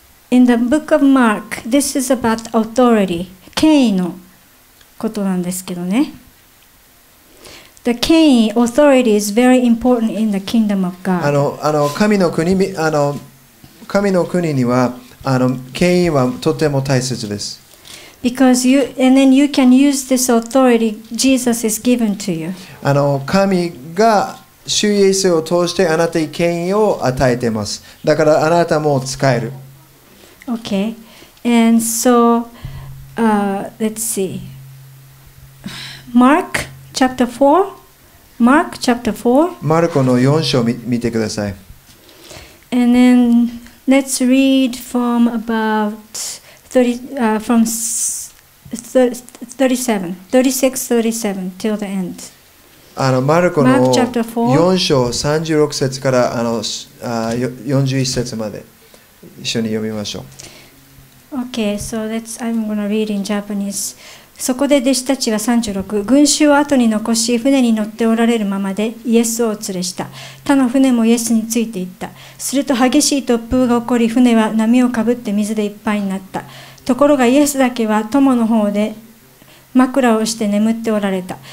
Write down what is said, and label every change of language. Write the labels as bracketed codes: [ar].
[en] In the book of Mark, this is about authority. [ja] 権威のことなんですけどね。 [en] The 権威 authority is very important in the kingdom of God. [ja] 神の国に神の国には権威はとても大切です。 [en] Because you and then you can use this authority Jesus is given to you. [ja] 神が主イエスを通してあなたに権威を与えてます。だからあなたも使える。 [en] Okay, and so let's see. Mark chapter 4. Mark chapter 4. [ja] マルコの4章を見てください。 [en] And then let's read from about 36, 37 till the end. [ja] マルコの4章36節から41節まで。一緒に読みましょう。 [en] Okay, so let's, I'm gonna read in Japanese. [ja] そこで弟子たちは36、群衆を後に残し船に乗っておられるままでイエスをお連れした。他の船もイエスについていった。すると激しい突風が起こり、船は波をかぶって水でいっぱいになった。ところがイエスだけは友の方で枕をして眠っておられた。